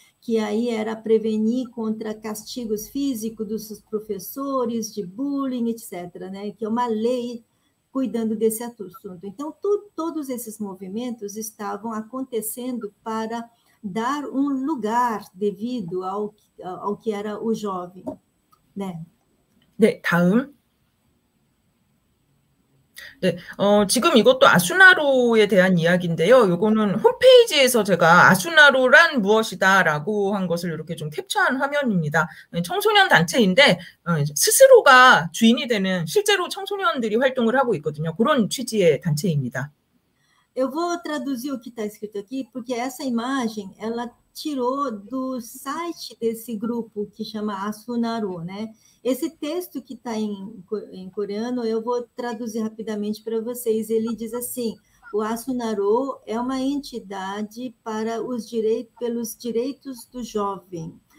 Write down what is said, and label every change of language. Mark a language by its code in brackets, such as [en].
[pt] Que aí era prevenir contra castigos físicos dos professores, de bullying, etc., né? Que é uma lei cuidando desse assunto. Então, todos esses movimentos estavam acontecendo para dar um lugar devido ao que era o jovem, né? [ko] 네, 다음. 네, 지금 이것도 아수나루에 대한 이야기인데요. 이거는 홈페이지에서 제가 아수나루란 무엇이다라고 한 것을 이렇게 좀 캡처한 화면입니다. 청소년 단체인데 스스로가 주인이 되는 실제로 청소년들이 활동을 하고 있거든요. 그런 취지의 단체입니다. [pt] Eu vou traduzir o que está escrito aqui, porque essa imagem ela tirou do site desse grupo que chama Asunaru, né? Esse texto que está em coreano eu vou traduzir rapidamente para vocês. Ele diz assim: o Asunaru é uma entidade para os direitos pelos direitos do jovem.